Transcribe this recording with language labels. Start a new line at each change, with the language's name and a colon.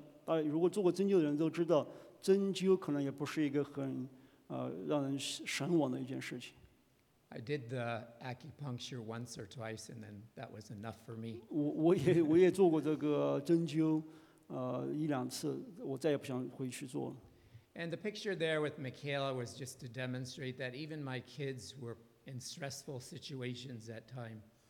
Chinese: 我在亚洲的时候，我很挂念我的父亲，所以我很想念他，这也是我很让我很难过的一件事情。那个Judy在亚洲的时候也经历一些痛苦，身体经历一些痛苦，她找了一些针灸，做针灸。我想，如果做过针灸的人都知道。针灸可能也不是一个很让人神往的一件事情。
English: I did the acupuncture once or twice, and then that was enough for me.
Chinese: 我也做过这个针灸，一两次，我再也不想回去做了。
English: And the picture there with Michaela was just to demonstrate that even my kids were in stressful situations at time.